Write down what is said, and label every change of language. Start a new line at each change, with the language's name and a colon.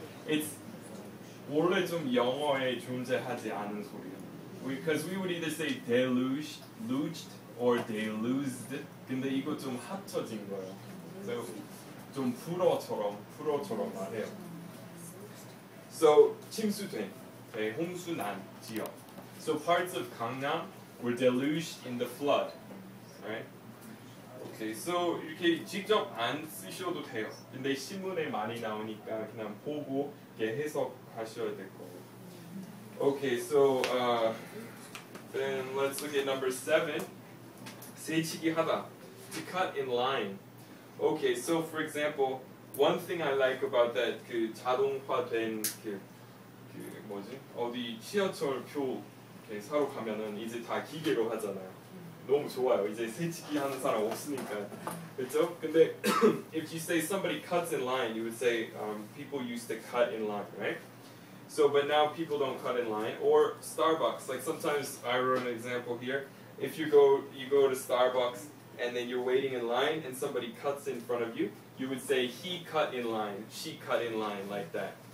English: It's
Korean: 원래 좀 영어에 존재하지 않은 소리예요.
English: Because we would either say deluged, luged, or deluged.
Korean: 근데 이거 좀 합쳐진 거예요. So, 좀 불어처럼 말해요. So 침수된, 네, 홍수난 지역.
English: So parts of Gangnam were deluged in the flood, right? Okay, so
Korean: 이렇게 직접 안 쓰셔도 돼요. 근데 신문에 많이 나오니까 그냥 보고 이렇게 해석하셔야 될 거예요.
English: Okay, so then let's look at number seven. 세치기하다, to cut in line. Okay, so for example, one thing I like about that
Korean: 그 자동화된 그 뭐지? 어디 지하철표 이렇게 사러 가면은 이제 다 기계로 하잖아요. 너무 좋아요. 이제 세치기 하는 사람 없으니까. 그렇죠? 근데
English: if you say somebody cuts in line, you would say people used to cut in line, right? So, but now people don't cut in line. Or Starbucks, like sometimes I wrote an example here. If you go to Starbucks, and then you're waiting in line, and somebody cuts in front of you, you would say, he cut in line, she cut in line, like that.